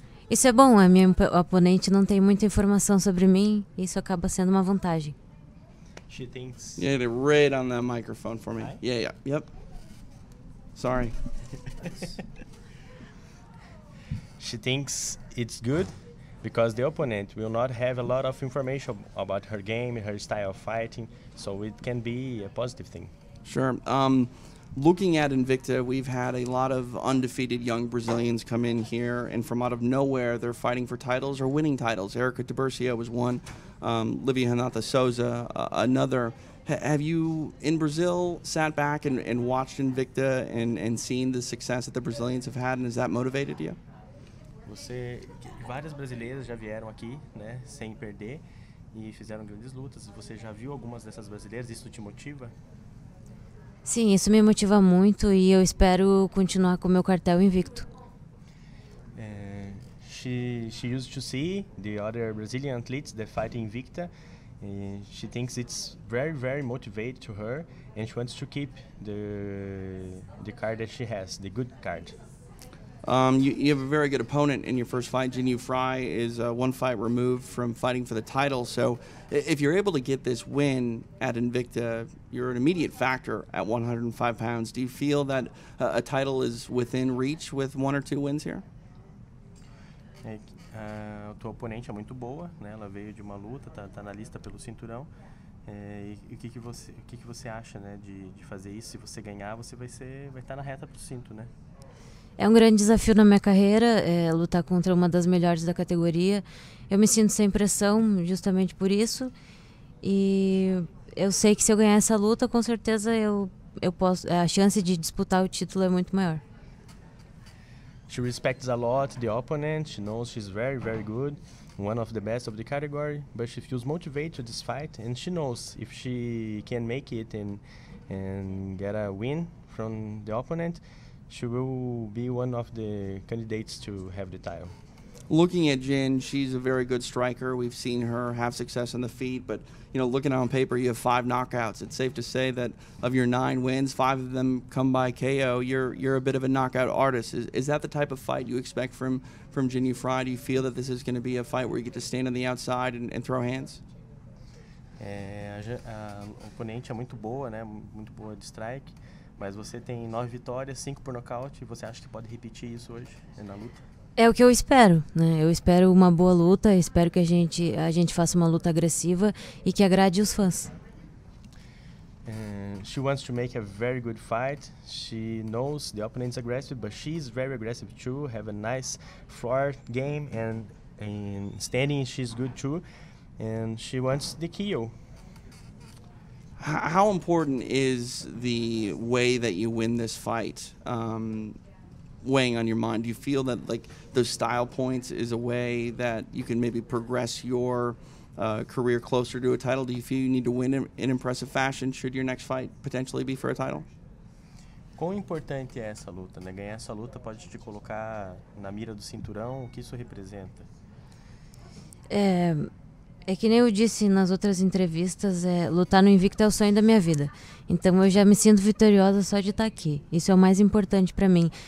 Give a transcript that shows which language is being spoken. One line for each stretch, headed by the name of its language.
Portuguese: Isso é bom, a minha oponente não tem muita informação sobre mim, isso acaba sendo uma vantagem.
English: She thinks. You hit it right on that microphone for me. Right? Yeah, yeah, yep. Sorry. She thinks it's good because the opponent will not have a lot of information about her game, her style of fighting, so it can be a positive thing. Sure. Looking at Invicta, we've had a lot of undefeated young Brazilians come in here, and from out of nowhere, they're fighting for titles or winning titles. Erica Tibercio was one, Livia Renata Souza, another. Have you, in Brazil, sat back and watched Invicta and seen the success that the Brazilians have had, and has that motivated you?
Portuguese: Você, várias brasileiras já vieram aqui, né, sem perder, e fizeram grandes lutas. Você já viu algumas dessas brasileiras? Isso te motiva? Sim, isso me motiva muito e eu espero continuar com o meu cartel invicto.
English: She used to see the other Brazilian athletes that fight Invicta. She thinks it's very, very motivated to her and she wants to keep the card that she has, the good card. You have a very good opponent in your first fight. Jinh Frey is one fight removed from fighting for the title. So if you're able to get this win at Invicta, you're an immediate factor at 105 pounds. Do you feel that a title is within reach with one or two wins here?
Portuguese: A tua oponente é muito boa, né? Ela veio de uma luta, tá na lista pelo cinturão. O que você acha, né, de fazer isso? Se você ganhar, você vai estar na reta pro cinto, né? É um grande desafio na minha carreira, lutar contra uma das melhores da categoria. Eu me sinto sem pressão justamente por isso. E eu sei que se eu ganhar essa luta, com certeza eu posso, a chance de disputar o título é muito maior.
English: She respects a lot the opponent. She knows she's very, very good, one of the best of the category, but she feels motivated to this fight and she knows if she can make it and get a win from the opponent, she will be one of the candidates to have the title. Looking at Jinh, she's a very good striker. We've seen her have success on the feet, but you know, looking on paper, you have 5 knockouts. It's safe to say that of your 9 wins, 5 of them come by KO. You're a bit of a knockout artist. Is that the type of fight you expect from Jinh Frey? Do you feel that this is going to be a fight where you get to stand on the outside and throw hands?
Portuguese: A oponente é muito boa, né? Muito boa de strike. Mas você tem 9 vitórias, 5 por nocaute, você acha que pode repetir isso hoje na luta? É o que eu espero, né? Eu espero uma boa luta, espero que a gente faça uma luta agressiva e que agrade os fãs.
English: She wants to make a very good fight. She knows the opponent's aggressive, but she's very aggressive too. Have a nice floor game and standing she's good too. And she wants the kill. How important is the way that you win this fight weighing on your mind? Do you feel that like those style points is a way that you can maybe progress your career closer to a title? Do you feel you need to win in impressive fashion should your next fight potentially be for a title?
Portuguese: Quão importante é essa luta, né? Ganhar essa luta pode te colocar na mira do cinturão. O que isso representa? É que nem eu disse nas outras entrevistas, lutar no Invicta é o sonho da minha vida. Então eu já me sinto vitoriosa só de estar aqui. Isso é o mais importante para mim.